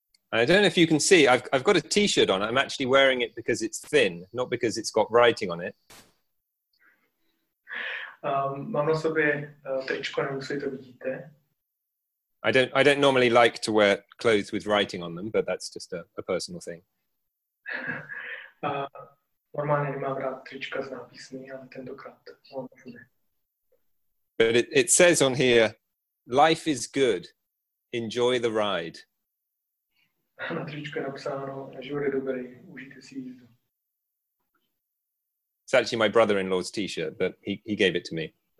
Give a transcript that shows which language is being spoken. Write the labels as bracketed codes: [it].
[en] I don't know if you can see, I've got a t-shirt on. I'm actually wearing it because it's thin, not because it's got writing on it. [cs] Mám na sobě tričko, nemusíte to vidíte. [en] I don't normally like to wear clothes with writing on them, but that's just a personal thing. [cs] Normálně nemám rád trička s nápisy, ale tentokrát mám na sobě. [en] But it says on here, life is good. Enjoy the ride. [cs] Na tričku je napsáno, život je dobrý, užijte si jízdu. [en] It's actually my brother-in-law's t-shirt, but he gave it to me.